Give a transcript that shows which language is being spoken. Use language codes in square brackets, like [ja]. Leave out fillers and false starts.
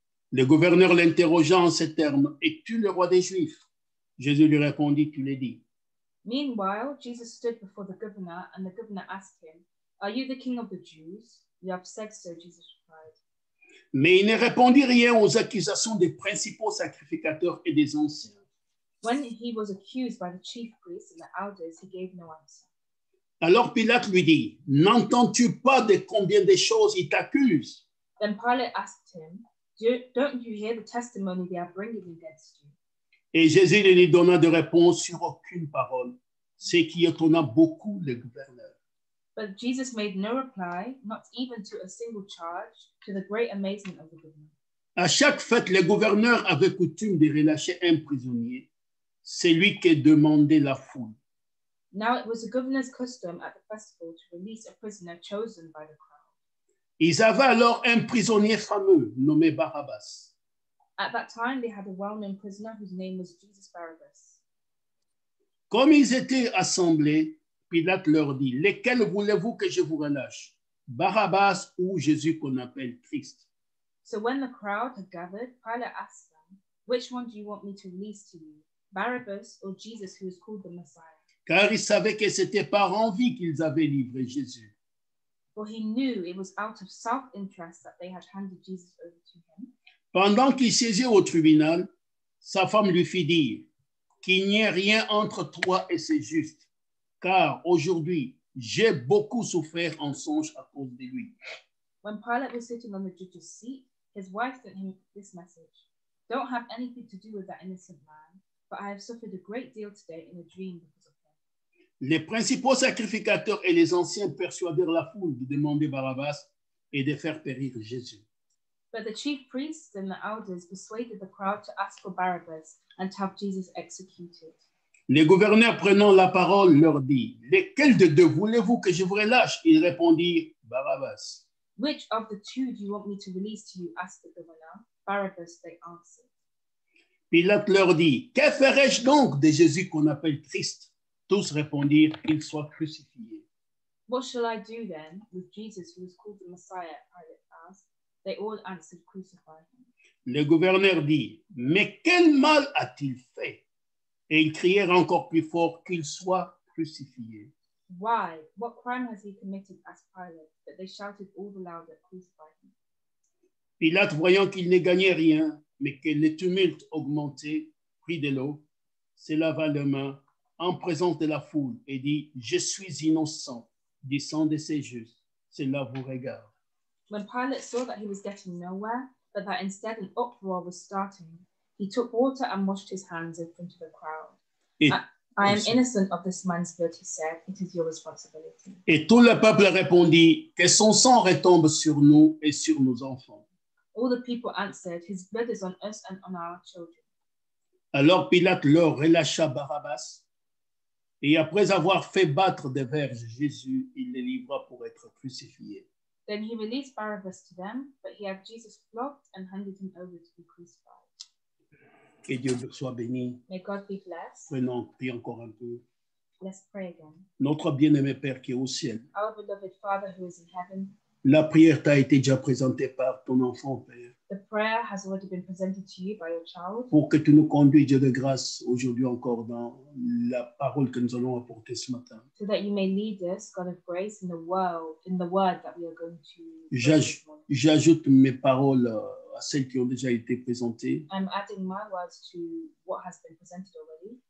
[fr] Le gouverneur l'interrogea en ces termes, « Es-tu le roi des Juifs ?» Jésus lui répondit, « Tu l'es dit. » [en] Meanwhile, Jesus stood before the governor, and the governor asked him, « Are you the king of the Jews ?» You have said so, Jesus replied. [fr] Mais il ne répondit rien aux accusations des principaux sacrificateurs et des anciens. [en] When he was accused by the chief priests and the elders, he gave no answer. [fr] Alors Pilate lui dit, « N'entends-tu pas de combien de choses ils t'accusent ?» [en] Then Pilate asked him, « Don't you hear the testimony they are bringing against you ?» [fr] Et Jésus ne lui donna de réponse sur aucune parole, ce qui étonna beaucoup le gouverneur. [en] But Jesus made no reply, not even to a single charge, to the great amazement of the governor. [fr] À chaque fête, le gouverneur avait coutume de relâcher un prisonnier, celui qui demandait la foule. [en] Now it was the governor's custom at the festival to release a prisoner chosen by the crowd. [fr] Ils avaient alors un prisonnier fameux nommé Barabbas. [en] At that time, they had a well-known prisoner whose name was Jesus Barabbas. [fr] Comme ils étaient assemblés, Pilate leur dit, « Lequel voulez-vous que je vous relâche, Barabbas ou Jésus qu'on appelle Christ ?» [en] So when the crowd had gathered, Pilate asked them, « Which one do you want me to release to you, Barabbas or Jesus who is called the Messiah ?» [fr] Car ils savaient que c'était par envie qu'ils avaient livré Jésus. [en] For he knew it was out of self-interest that they had handed Jesus over to him. [fr] Pendant qu'il siégeait au tribunal, sa femme lui fit dire, « Qu'il n'y ait rien entre toi et ces justes, car aujourd'hui, j'ai beaucoup souffert en songe à cause de lui. » [en] When Pilate was sitting on the judge's seat, his wife sent him this message, « Don't have anything to do with that innocent man, but I have suffered a great deal today in a dream because of him. » [fr] Les principaux sacrificateurs et les anciens persuadèrent la foule de demander Barabbas et de faire périr Jésus. [en] But the chief priests and the elders persuaded the crowd to ask for Barabbas and to have Jesus executed. [fr] Le gouverneur prenant la parole leur dit, « Lequel de deux voulez-vous que je vous relâche ?» Ils répondirent, « Barabbas. » [en] « Which of the two do you want me to release to you ?» asked the governor. « Barabbas, they answered. » [fr] Pilate leur dit, « Que ferai-je donc de Jésus qu'on appelle Christ ?» Tous répondirent, « Qu'il soit crucifié. » [en] « What shall I do then with Jesus who is called the Messiah ?» Pilate asked. They all answered, crucify him. [fr] Le gouverneur dit, mais quel mal a-t-il fait? Et ils crièrent encore plus fort qu'il soit crucifié. [en] Why? What crime has he committed? Asked Pilate, but they shouted all the louder, crucify him. [fr] Pilate, voyant qu'il ne gagnait rien, mais que le tumulte augmentait, prit de l'eau, se lava les mains en présence de la foule et dit, je suis innocent, du sang de ces justes, cela vous regarde. [en] When Pilate saw that he was getting nowhere, but that instead an uproar was starting, he took water and washed his hands in front of the crowd. I am innocent of this man's blood, he said. It is your responsibility. [fr] Et tout le peuple répondit, que son sang retombe sur nous et sur nos enfants. [en] All the people answered, his blood is on us and on our children. [fr] Alors Pilate leur relâcha Barabbas, et après avoir fait battre des verges Jésus, il les livra pour être crucifié. [en] Then he released Barabbas to them, but he had Jesus flogged and handed him over to be crucified. [fr] Que Dieu soit béni. [en] May God be blessed. [fr] Prenons, prie encore un peu. [en] Let's pray again. [fr] Notre bien-aimé Père qui est au ciel. [en] Our beloved Father who is in heaven. [fr] La prière t'a été déjà présentée par ton enfant, Père. [en] The prayer has already been presented to you by your child. [fr] Pour que tu nous conduis, Dieu de grâce, aujourd'hui encore dans la parole que nous allons apporter ce matin. [en] So that you may lead us, God of grace, in the world, in the word that we are going to. [fr] J'ajoute mes paroles à celles qui ont déjà été présentées. [en] I'm adding my words to what has been presented already.